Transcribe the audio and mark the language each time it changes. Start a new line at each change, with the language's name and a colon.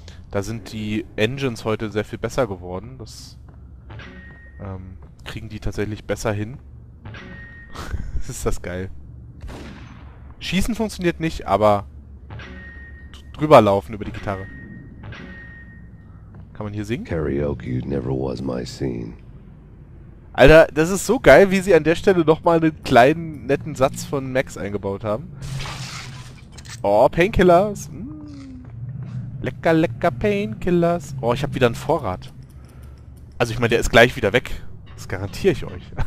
German: Da sind die Engines heute sehr viel besser geworden. Das kriegen die tatsächlich besser hin. Ist das geil. Schießen funktioniert nicht, aber drüber laufen über die Gitarre. Kann man hier singen?
English: Karaoke never was my scene.
German: Alter, das ist so geil, wie sie an der Stelle nochmal einen kleinen, netten Satz von Max eingebaut haben. Oh, Painkillers. Lecker, lecker Painkillers. Oh, ich habe wieder einen Vorrat. Also ich meine, der ist gleich wieder weg. Das garantiere ich euch.